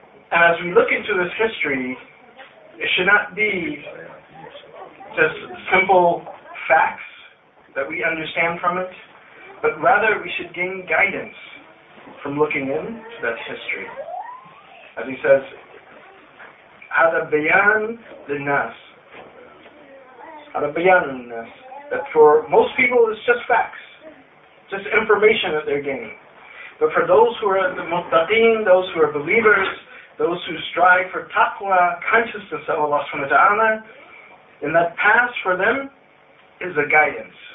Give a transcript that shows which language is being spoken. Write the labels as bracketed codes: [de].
[en] And as we look into this history, it should not be just simple facts that we understand from it, but rather we should gain guidance from looking into that history. As he says, [ar] هَذَا بَيَانٌ لِلنَّاسِ هَذَا بَيَانٌ لِلنَّاسِ. [en] That for most people it's just facts, just information that they're gaining. But for those who are the muttaqeen, those who are believers, those who strive for taqwa, consciousness of Allah subhanahu wa ta'ala, then that path for them is a guidance.